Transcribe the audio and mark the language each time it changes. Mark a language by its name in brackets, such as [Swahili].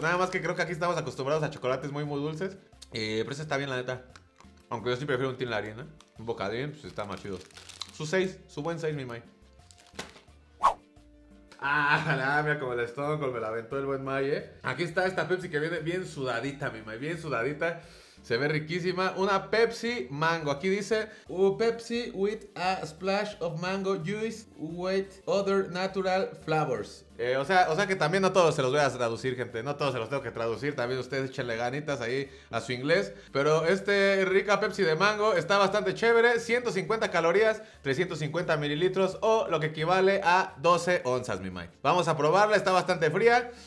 [Spanish] Nada más que creo que aquí estamos acostumbrados a chocolates muy, muy dulces. Pero ese está bien, la neta. Aunque yo sí prefiero un Tin Larín, ¿eh? Un bocadín, pues está más chido. Su 6. Su buen 6, mi mai. Ah, mira como el estómago me la aventó el buen May, ¿eh? Aquí está esta Pepsi que viene bien sudadita, mi mai. Bien sudadita. Se ve riquísima. Una Pepsi Mango. Aquí dice... [English] Pepsi with a splash of mango juice with other natural flavors. [Spanish] O sea que también no todos se los voy a traducir, gente. No todos se los tengo que traducir. También ustedes échenle ganitas ahí a su inglés. Pero este rica Pepsi de mango está bastante chévere. 150 calorías, 350 mililitros o lo que equivale a 12 onzas, mi mai. Vamos a probarla. Está bastante fría.